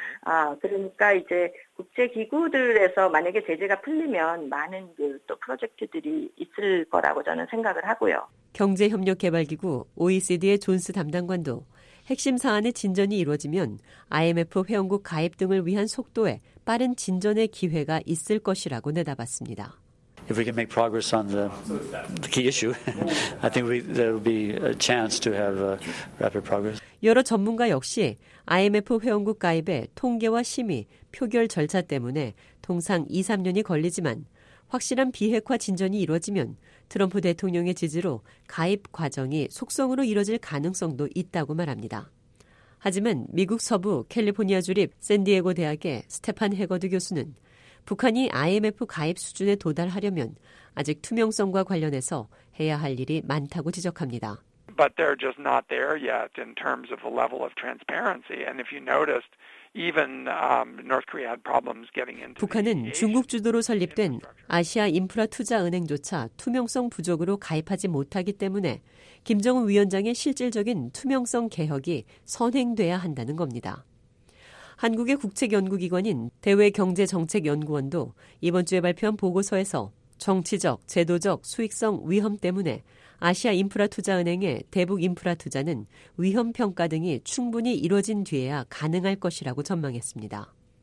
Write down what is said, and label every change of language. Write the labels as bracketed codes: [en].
[ko] 아 그러니까 이제 국제 기구들에서 만약에 제재가 풀리면 많은 그 또 프로젝트들이 있을 거라고 저는 생각을 하고요. 경제 협력 개발 기구 OECD의 존스 담당관도 핵심 사안의 진전이 이루어지면 IMF 회원국 가입 등을 위한 속도에 빠른 진전의 기회가 있을 것이라고 내다봤습니다. [en] If we can make progress on the key issue, I think there will be a chance to have rapid progress. [ko] 여러 전문가 역시 IMF 회원국 가입에 통계와 심의, 표결 절차 때문에 통상 2, 3년이 걸리지만 확실한 비핵화 진전이 이루어지면 트럼프 대통령의 지지로 가입 과정이 속성으로 이루어질 가능성도 있다고 말합니다. 하지만 미국 서부 캘리포니아 주립 샌디에고 대학의 스테판 해거드 교수는 북한이 IMF 가입 수준에 도달하려면 아직 투명성과 관련해서 해야 할 일이 많다고 지적합니다. [en] But they're just not there yet in terms of the level of transparency. And if you noticed, even North Korea had problems getting into. [ko] 북한은 중국 주도로 설립된 아시아 인프라 투자 은행조차 투명성 부족으로 가입하지 못하기 때문에 김정은 위원장의 실질적인 투명성 개혁이 선행돼야 한다는 겁니다. 한국의 국책연구기관인 대외경제정책연구원도 이번 주에 발표한 보고서에서 정치적, 제도적, 수익성 위험 때문에 아시아 인프라투자은행의 대북 인프라투자는 위험평가 등이 충분히 이루어진 뒤에야 가능할 것이라고 전망했습니다.